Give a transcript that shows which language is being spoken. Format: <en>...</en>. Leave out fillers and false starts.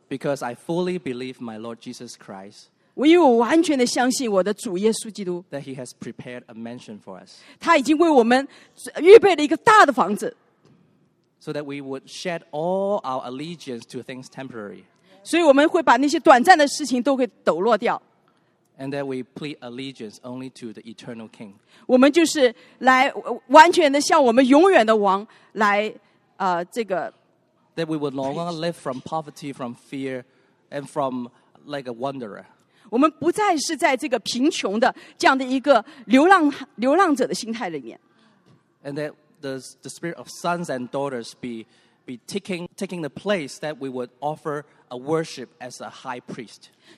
<en>Because I fully believe my Lord Jesus Christ,</en> <zh>我完全的相信我的主耶稣基督,</zh> <en>that he has prepared a mansion for us.</en> <zh>他已经为我们预备了一个大的房子。</zh> <en>So that we would shed all our allegiance to things temporary.</en> <zh>所以我们会把那些短暂的事情都会抖落掉。</zh> <en>And that we plead allegiance only to the eternal king.</en> <zh>我们就是来完全的向我们永远的王来这个。</zh> <en>That we would no longer live from poverty, from fear, and from like a wanderer.</en> <zh>我们不再是在这个贫穷的这样的一个流浪者的心态里面。</zh> <en>And that the spirit of sons and daughters be taking the place that we would offer a worship as a high priest.</en>